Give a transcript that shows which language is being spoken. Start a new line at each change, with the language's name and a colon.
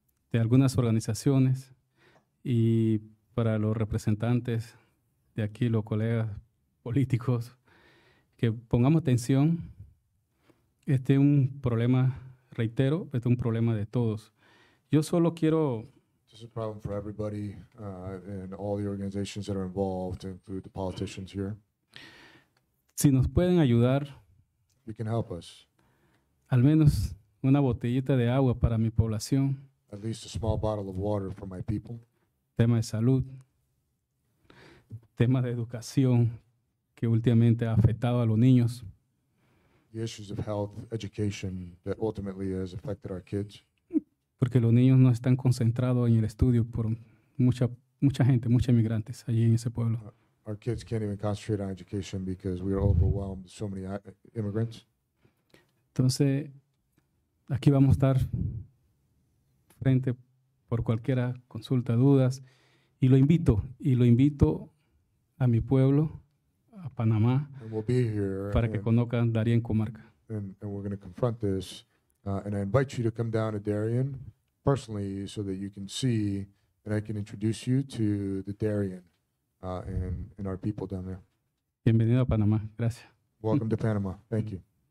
Spanish: de algunas organizaciones y para los representantes de aquí, los colegas políticos, que pongamos atención. Este es un problema, reitero, este es un problema de todos. Yo solo quiero.
English: This is a problem for everybody and all the organizations that are involved, to include the politicians here.
Spanish: Si nos pueden ayudar.
English: You can help us.
Spanish: Al menos una botellita de agua para mi población.
English: At least a small bottle of water for my people.
Spanish: Tema de salud. Tema de educación que últimamente ha afectado a los niños.
English: The issues of health, education, that ultimately has affected our kids.
Spanish: Porque los niños no están concentrados en el estudio por mucha gente, muchos inmigrantes allí en ese pueblo.
English: Our kids can't even concentrate on education because we are overwhelmed with so many immigrants.
Spanish: Entonces, aquí vamos a estar frente por cualquiera consulta, dudas, y lo invito a mi pueblo, a Panamá,
English: we'll be here
Spanish: para que conozcan Darien Comarca.
English: And we're going to confront this. And I invite you to come down to Darien personally so that you can see and I can introduce you to the Darien and our people down there.
Spanish: Bienvenido a Panamá. Gracias.
English: Welcome to Panama. Thank you.